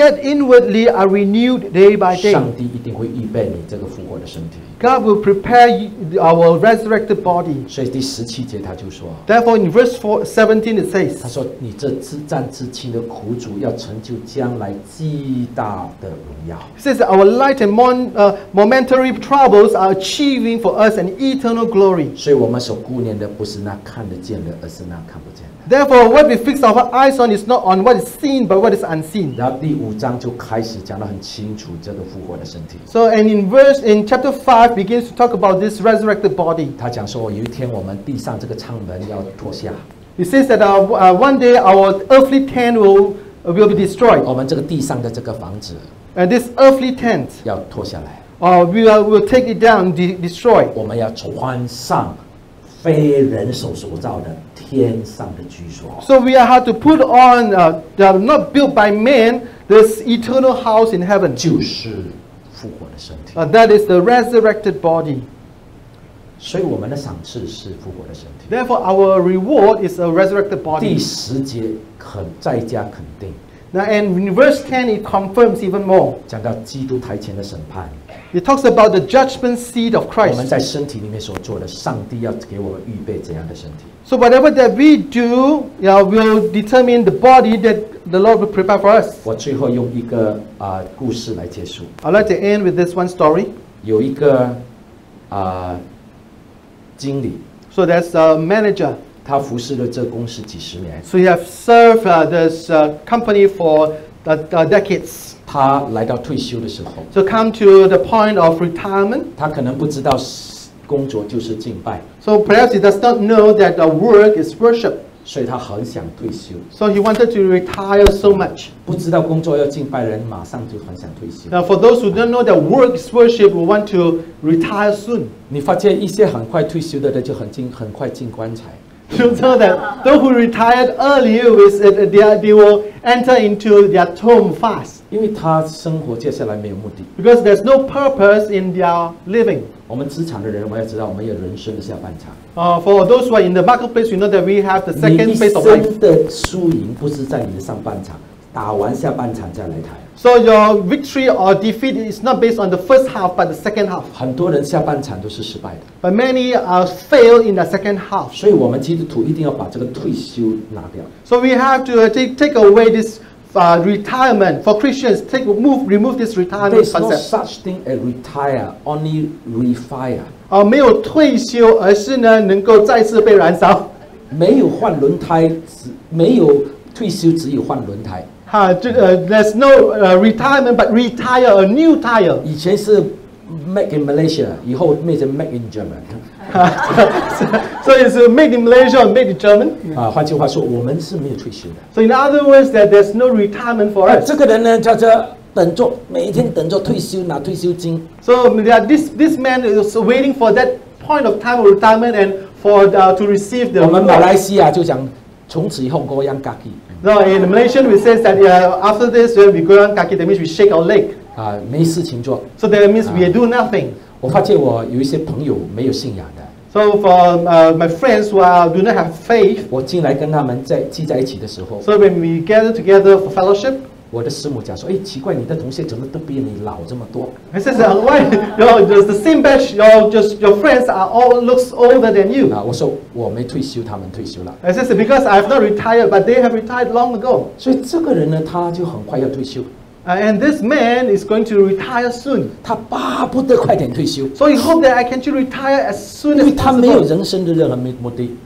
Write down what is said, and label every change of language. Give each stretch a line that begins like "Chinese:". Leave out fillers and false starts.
English: Yet inwardly are renewed day by day.
Chinese: 上帝一定会预备你这个复活的身体。
English: God will prepare our resurrected body.
Chinese: 所以第十七节他就说。
English: Therefore in verse 17 it says.
Chinese: 他说你这自战自轻的苦主要成就将来极大的荣耀。
English: He says our light and momentary troubles are achieving for us an eternal glory.
Chinese: 所以我们所顾念的不是那看得见的，而是那看不见的。
English: Therefore, what we fix our eyes on is not on what is seen, but what is unseen.
Chinese: 然后第五章就开始讲得很清楚这个复活的身体。
English: So, and in chapter 5 begins to talk about this resurrected body.
Chinese: 他讲说，有一天我们地上这个帐门要脱下。
English: He says that one day our earthly tent will be destroyed.
Chinese: 我们这个地上的这个房子。
English: And this earthly tent.
Chinese: 要脱下来。
English: We'll take it down, destroy.
Chinese: 我们要穿上。非人手所造的天上的居所。
English: So we are had to put on not built by man this eternal house in heaven.
Chinese: 就是复活的身体。
English: That is the resurrected body.
Chinese: 所以我们的赏赐是复活的身体。
English: Therefore our reward is a resurrected body.
Chinese: 第十节肯再加肯定。
English: Now and in verse 10 it confirms even more.
Chinese: 讲到基督台前的审判。
English: It talks about the judgment seat of Christ.
Chinese: 我们在身体里面所做的，上帝要给我们预备怎样的身体
English: ？So whatever that we do, yeah, will determine the body that the Lord will prepare for us.
Chinese: 我最后用一个故事来结束。
English: I'd like to end with this one story.
Chinese: 有一个经理。
English: So that's a manager.
Chinese: 他服侍了这公司几十年。
English: So he has served this company for the decades.
Chinese: 他来到退休的时候
English: ，So come to the point of retirement.
Chinese: 他可能不知道工作就是敬拜
English: ，So perhaps he does not know that the work is worship.
Chinese: 所以他很想退休
English: ，So he wanted to retire so much.
Chinese: 不知道工作要敬拜的人马上就很想退休。
English: Now for those who don't know that work is worship, will want to retire soon.
Chinese: 你发现一些很快退休的人就很快进棺材。
English: You know that those who retired early with it, they will enter into their tomb fast.
Chinese: 因为他生活接下来没有目的。
English: Because there's no purpose in their living.
Chinese: 我们职场的人，我要知道，我们有人生的下半场。
English: For those who are in the marketplace, you know that we have the second phase of life.
Chinese: 你一生的输赢不是在你的上半场，打完下半场再来谈。
English: So your victory or defeat is not based on the first half, but the second half.
Chinese: 很多人下半场都是失败的。
English: But many are fail in the second half.
Chinese: 所以我们基督徒一定要把这个退休拿掉。
English: So we have to take away this retirement for Christians. Remove this retirement concept. There's no such thing as retire, only refire.
Chinese: 没有退休，而是呢能够再次被燃烧。没有换轮胎，没有退休，只有换轮胎。
English: There's no retirement, but retire a new tire.
Chinese: 以前是
English: make in Malaysia,
Chinese: 以后变成
English: make in German. So it's made in Malaysia or made in German.
Chinese: 换句话说，我们是没有退休的。
English: So in other words, that there's no retirement for us.
Chinese: 这个人呢，叫做等着，每一天等着退休拿退休金。
English: So this man is waiting for that point of time of retirement and for to receive the.
Chinese: 我们马来西亚就讲，从此以后各样嘎叽。
English: No, in Malaysia, we say that after this, when we go on kaki, that means we shake our leg.
Chinese: 没事情做。
English: So that means we do nothing.
Chinese: 我发现我有一些朋友没有信仰的。
English: So for my friends who do not have faith.
Chinese: 我进来跟他们在聚在一起的时候。
English: So when we gather together for fellowship.
Chinese: 我的师母讲说，哎，奇怪，你的同学怎么都比你老这么多
English: ？He says, why? You're the same batch. Your friends are all looks older than you.
Chinese: 啊，我说我没退休，他们退休了。
English: He says, because I've not retired, but they have retired long ago.
Chinese: 所以这个人呢，他就很快要退休。
English: And this man is going to retire soon.
Chinese: 他巴不得快点退休。
English: So he hope that I can to retire as soon as possible.
Chinese: 因为他没有人生的任何目的。